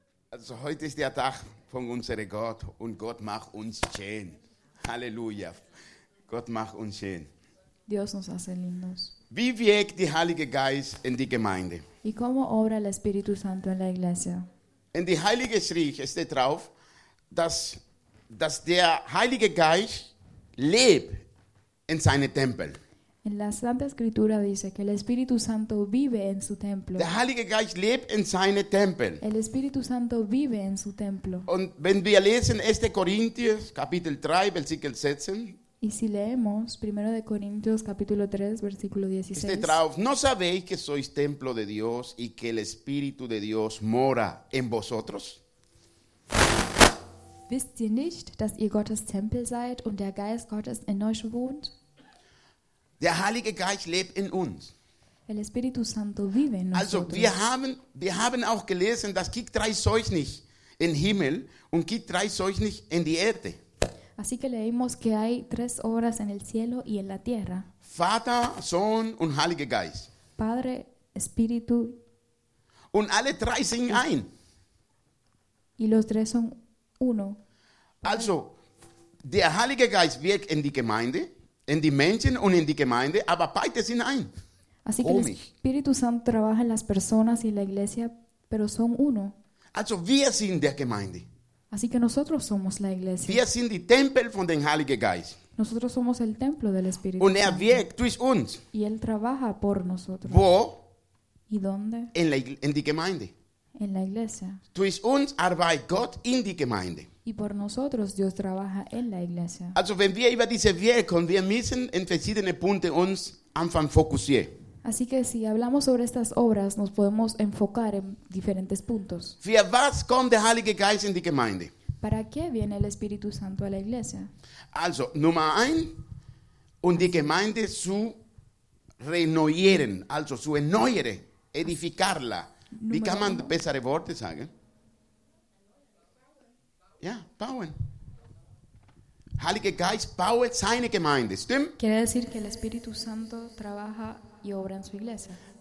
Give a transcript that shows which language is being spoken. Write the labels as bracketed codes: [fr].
[de] Also heute ist der Tag von unserem Gott und Gott macht uns schön. Aleluya. Gott macht uns schön. [es] Dios nos hace lindos. [de] Wie wirkt der Heilige Geist in die Gemeinde? [es] ¿Y cómo obra el Espíritu Santo en la iglesia? [de] In die Heilige Schrift steht drauf, dass der Heilige Geist lebt in seinem Tempel. [es] En la Santa Escritura dice que el Espíritu Santo vive en su templo. [de] Der Heilige Geist lebt in seinem Tempel. [es] El Espíritu Santo vive en su templo. [de] Und wenn wir lesen 1. Korinther, Kapitel 3, Versikel 16. [es] Y si leemos 1 de Corintios capítulo 3 versículo 16. Este traduce, ¿no sabéis que sois templo de Dios y que el Espíritu de Dios mora en vosotros? [de] ¿Wisst ihr nicht, dass ihr Gottes Tempel seid und der Geist Gottes in euch wohnt? Der Heilige Geist lebt in uns. [es] El Espíritu Santo vive en nosotros. [de] Also wir haben auch gelesen, dass Gott drei Seuchen nicht in Himmel und Gott drei Seuchen nicht in die Erde. [es] Así que leímos que hay tres obras en el cielo y en la tierra. [de] Vater, Sohn und Heiliger Geist. [es] Padre, Espíritu. [de] Und alle drei sind ein. [es] Y los tres son uno. [de] Also, der Heilige Geist wirkt in die Gemeinde, in die Menschen und in die Gemeinde, aber beide sind ein. [es] Así que el Espíritu Santo trabaja en las personas y en la iglesia, pero son uno. [de] Also, wir sind der Gemeinde. [es] Así que nosotros somos la iglesia. [de] Wir sind die Tempel von dem Heiligen Geist. [es] Nosotros somos el templo del Espíritu. [de] Und er wirkt durch uns. [es] Y él trabaja por nosotros. [de] Wo? [es] ¿Y dónde? En [de] die Gemeinde. [es] En la iglesia. [de] Durch uns arbeitet Gott in die Gemeinde. [es] Y por nosotros Dios trabaja en la iglesia. [de] Also wenn wir über diese Wirkung, wir müssen in verschiedene Punkte uns anfangen fokussieren. [es] Así que si hablamos sobre estas obras, nos podemos enfocar en diferentes puntos. [de] Für was kommt der Heilige Geist in die Gemeinde? [es] ¿Para qué viene el Espíritu Santo a la iglesia? [de] Also, Nummer 1, um die Gemeinde zu renovieren, also zu erneuern, [es] edificarla. [de] Wie kann man bessere Worte sagen? Ja, bauen. Heilige Geist baut seine Gemeinde, stimmt? [es] Quiere decir que el Espíritu Santo trabaja y obra en su iglesia.